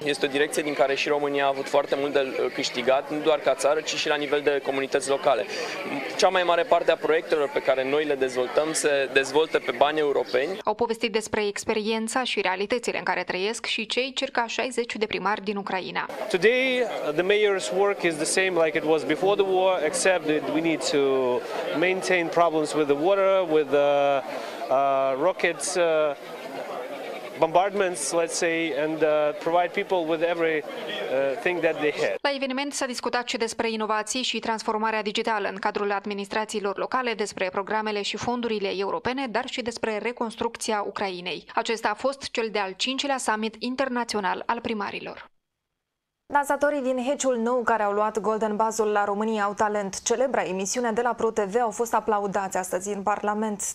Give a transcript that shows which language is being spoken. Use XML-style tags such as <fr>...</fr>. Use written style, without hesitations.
<ro>Este o direcție din care și România a avut foarte mult de câștigat, nu doar ca țară, ci și la nivel de comunități locale. Cea mai mare parte a proiectelor pe care noi le ne dezvoltăm se dezvoltă pe bani europeni. Au povestit despre experiența și realitățile în care trăiesc și cei circa 60 de primari din Ucraina.</ro> <en>Today the mayor's work is the same like it was before the war, except that we need to maintain problems with the water, with the rockets, bombardments, let's say, and provide people with every thing that they have.</en> <ro>La eveniment s-a discutat și despre inovații și transformarea digitală în cadrul administrațiilor locale, despre programele și fondurile europene, dar și despre reconstrucția Ucrainei. Acesta a fost cel de-al cincilea summit internațional al primarilor. Dansatorii din Heciul Nou, care au luat Golden Buzz-ul la România au talent, celebra emisiune de la ProTV, au fost aplaudați astăzi în Parlament.</ro>